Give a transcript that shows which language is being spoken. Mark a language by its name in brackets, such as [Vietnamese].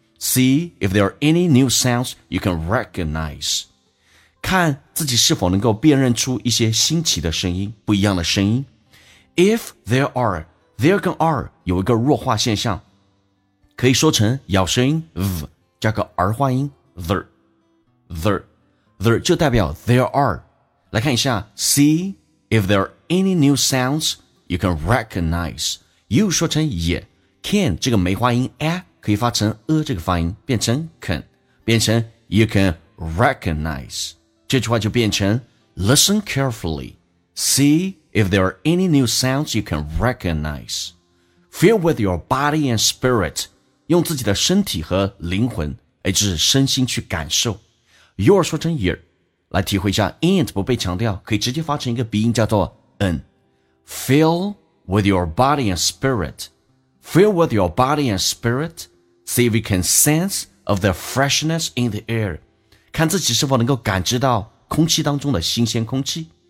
[English] See if there are any new sounds you can recognize. [Chinese] 看自己是否能够辨认出一些新奇的声音，不一样的声音。 [English] If there are, [Chinese] there 跟 are 有一个弱化现象，可以说成咬声音 v 加个儿化音 there 就代表 there are。来看一下 [English] see if there areAny new sounds you can recognize. You 说成 ye. [Chinese] Can 这个梅花音 a 可以发成 a 这个发音，变成 can， 变成 [English] you can recognize. [Chinese] 这句话就变成 [English] Listen carefully. See if there are any new sounds you can recognize. Feel with your body and spirit. [Chinese] 用自己的身体和灵魂，也就是身心去感受。 You 说成 ye 来体会一下 and 不被强调，可以直接发成一个鼻音，叫做 [English] And feel with your body and spirit. Feel with your body and spirit. See if you can sense of the freshness in the air. [Chinese] 看自己是否能够感知到空气当中的新鲜空气。